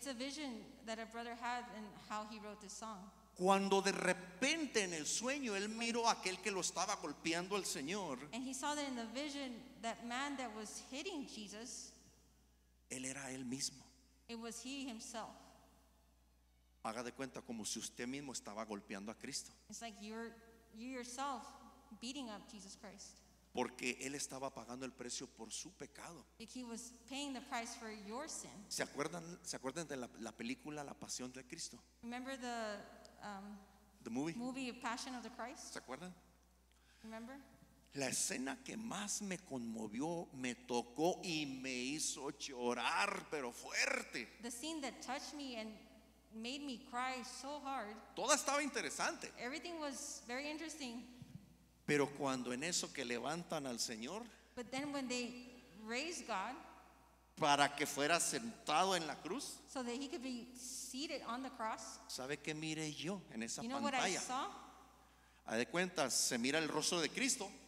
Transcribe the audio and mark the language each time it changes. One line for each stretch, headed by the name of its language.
English: It's a vision that a brother had and how he wrote this song.
Spanish: Cuando de repente en el sueño él miró a aquel que lo estaba golpeando al Señor.
English: And he saw that in the vision, that man that was hitting Jesus.
Spanish: Él era él mismo.
English: It was he himself.
Spanish: Haga de cuenta como si usted mismo estaba golpeando a Cristo.
English: It's like you yourself beating up Jesus Christ.
Spanish: Porque él estaba pagando el precio por su pecado.
English: Like he was paying the price for your sin.
Spanish: ¿Se acuerdan de la película La Pasión de Cristo?
English: Remember the movie Passion of the Christ.
Spanish: ¿Se acuerdan?
English: Remember?
Spanish: La escena que más me conmovió, me tocó y me hizo llorar, pero fuerte.
English: The scene that touched me and made me cry so hard.
Spanish: Todo estaba interesante.
English: Everything was very interesting.
Spanish: Pero cuando en eso que levantan al Señor,
English: but then when they raise God,
Spanish: para que fuera sentado en la cruz,
English: so that he could be seated on the cross.
Spanish: ¿Sabe qué miré yo en esa pantalla?
English: You know pantalla? What I saw?
Spanish: A de cuenta, se mira el rostro de Cristo.